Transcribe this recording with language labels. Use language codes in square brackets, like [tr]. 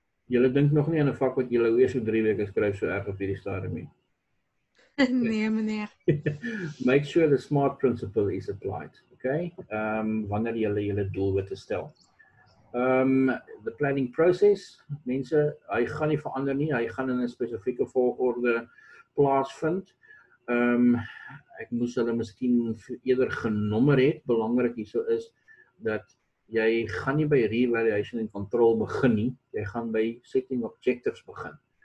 [af] Julle dink nog nie aan 'n vak wat julle oor so 3 weke skryf so erg op hierdie stadium nie. Nee, meneer. [en] Make sure the SMART principle is applied, okay? [af] Wanneer jy hulle doelwitte stel. [en] The planning process, [af] mense, hy gaan nie verander nie, hy gaan in 'n spesifieke volgorde plaasvind. Ek moes hulle miskien eerder genommer het, belangrik hierso is, dat jy gaan nie by re-evaluation en control begin nie, jy gaan by [en] setting objectives [af] begin.